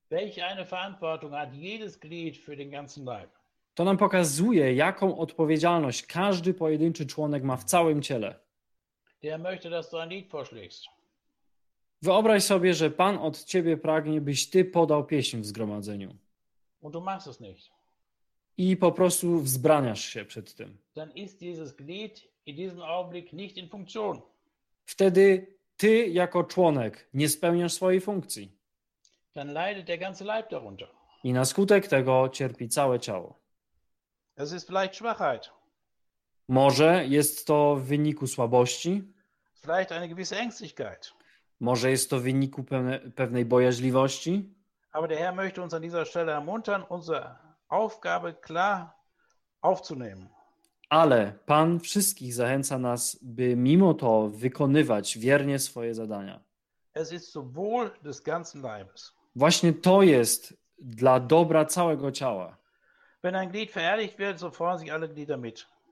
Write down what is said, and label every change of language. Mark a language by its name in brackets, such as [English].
[German] Welch eine Verantwortung hat jedes Glied für den ganzen Leib? [Polish] To nam pokazuje, jaką odpowiedzialność każdy pojedynczy członek ma w całym ciele. [German] Der möchte, dass du ein Lied vorschlägst. [Polish] Wyobraź sobie, że Pan od Ciebie pragnie, byś Ty podał pieśń w zgromadzeniu. [German] Und du machst es nicht. [Polish] I po prostu wzbraniasz się przed tym. [German] Dann ist dieses Glied in diesem Augenblick nicht in Funktion. [Polish] Wtedy Ty jako członek nie spełniasz swojej funkcji. [German] Dann leidet der ganze Leib darunter. [Polish] I na skutek tego cierpi całe ciało. [German] Es ist vielleicht Schwachheit. [Polish] Może jest to w wyniku słabości. [German] Vielleicht eine gewisse Ängstlichkeit. [Polish] Może jest to w wyniku pewnej bojaźliwości. [German] Aber der Herr möchte uns an dieser Stelle ermuntern, unsere Aufgabe klar aufzunehmen. [Polish] Ale Pan wszystkich zachęca nas, by mimo to wykonywać wiernie swoje zadania. [German] Es ist zum Wohl des ganzen Leibes. [Polish] Właśnie to jest dla dobra całego ciała. [German] Wenn ein Glied verherrlicht wird, so freuen sich alle Glieder mit.